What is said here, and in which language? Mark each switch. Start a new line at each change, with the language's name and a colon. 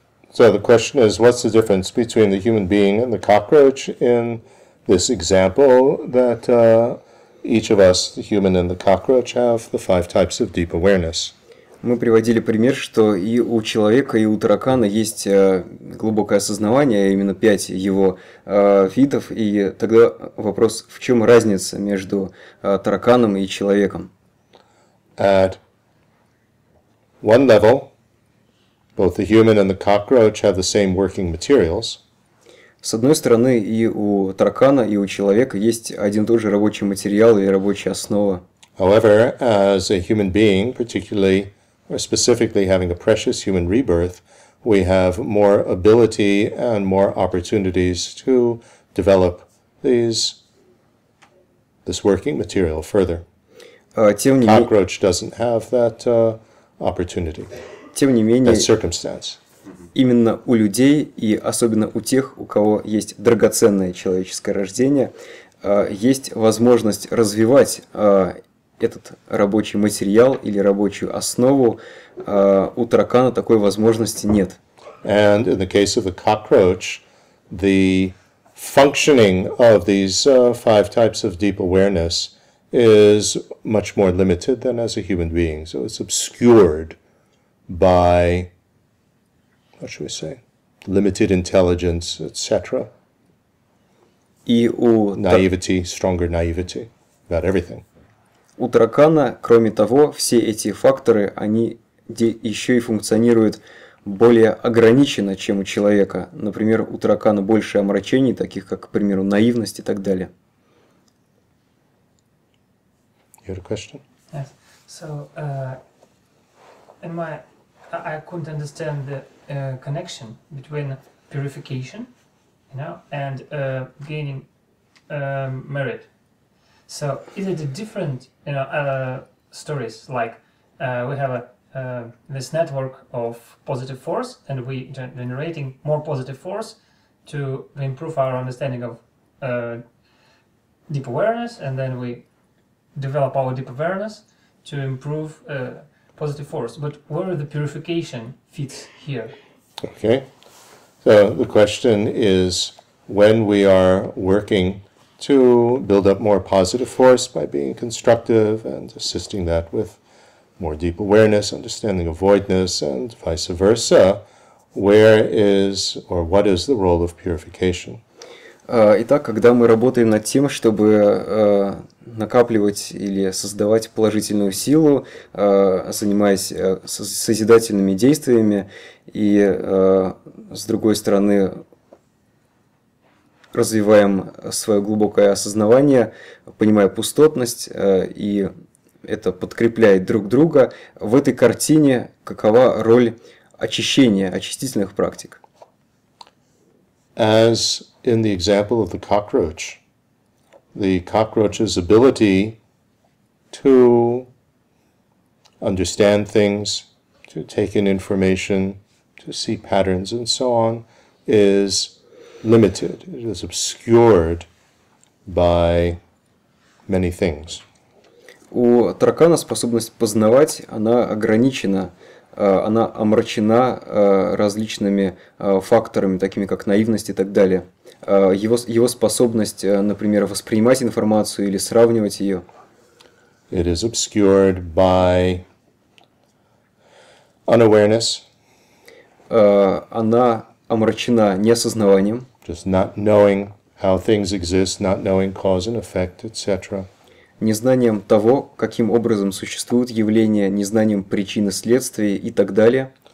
English: So the question is, what's the difference between the human being and the cockroach in this example that each of us, the human and the cockroach, have the five types of deep awareness?
Russian: Мы приводили пример, что и у человека, и у таракана есть глубокое осознавание, именно пять его видов. И тогда вопрос, в чем разница между тараканом и человеком?
English: At one level, both the human and the cockroach have the same working materials.
Russian: С одной стороны, и у таракана, и у человека есть один и тот же рабочий материал и рабочая основа.
English: However, as a human being, particularly or specifically having a precious human rebirth, we have more ability and more opportunities to develop this working material further. Cockroach doesn't have that opportunity.
Russian: Тем не менее,
English: that circumstance.
Russian: Именно у людей, и особенно у тех, у кого есть драгоценное человеческое рождение, есть возможность развивать этот рабочий материал или рабочую основу. У таракана такой возможности нет.
English: And in the case of the cockroach, the functioning of these five types of deep awareness is much more limited than as a human being. So it's obscured by, what should we say, limited intelligence, etc.
Russian: И у
English: naivety, stronger naivety about everything.
Russian: У таракана, кроме того, все эти факторы, они еще и функционируют более ограниченно, чем у человека. Например, у таракана больше омрачений, таких как, к примеру, наивность и так далее.
English: You had a question? Yes. So, I couldn't understand the connection between purification, you know, and gaining merit. So, is it a different, you know, stories? Like, we have this network of positive force, and we generating more positive force to improve our understanding of deep awareness, and then we develop our deep awareness to improve positive force, but where the purification fits here? Okay, so the question is, when we are working to build up more positive force by being constructive and assisting that with more deep awareness, understanding of voidness, and vice versa. Where is, or what is the role of purification?
Russian: Итак, когда мы работаем над тем, чтобы накапливать или создавать положительную силу, занимаясь созидательными действиями, и с другой стороны развиваем свое глубокое осознавание, понимая пустотность, и это подкрепляет друг друга, в этой картине какова роль очищения, очистительных практик?
English: As in the example of the cockroach's ability to understand things, to take in information, to see patterns and so on, is limited, it is obscured by many things.
Russian: У таракана способность познавать, она ограничена, она омрачена различными факторами, такими как наивность и так далее. Его способность, например, воспринимать информацию или сравнивать ее.
English: It is obscured by unawareness.
Russian: Она омрачена неосознаванием.
English: Just not knowing how things exist, not knowing cause and effect, etc.
Russian: Незнанием того, каким образом существуют явления, незнанием причин и следствий и так далее.